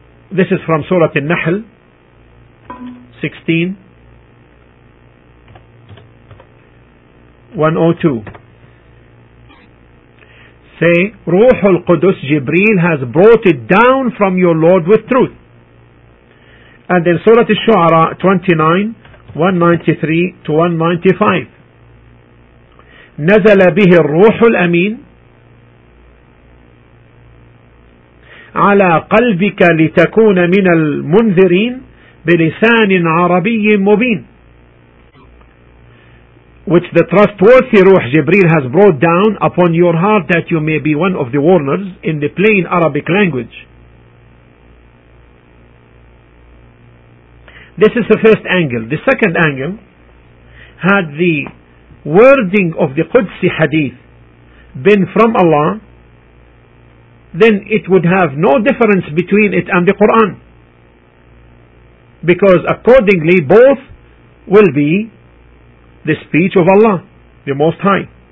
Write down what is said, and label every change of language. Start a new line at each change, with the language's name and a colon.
English: This is from Surah An-Nahl 16. 102. Say, Ruhul Qudus, Jibreel has brought it down from your Lord with truth. And in Surah Al-Shu'ara
Arabic: 29:193-195, نزل به الروح الأمين على قلبك لتكون من المنذرين بلسان عربي مبين.
English: Which the trustworthy Ruh Jibril has brought down upon your heart that you may be one of the warners in the plain Arabic language. This is the first angle. The second angle had the wording of the Qudsi Hadith been from Allah, then it would have no difference between it and the Quran, because accordingly both will be the speech of Allah, the Most High.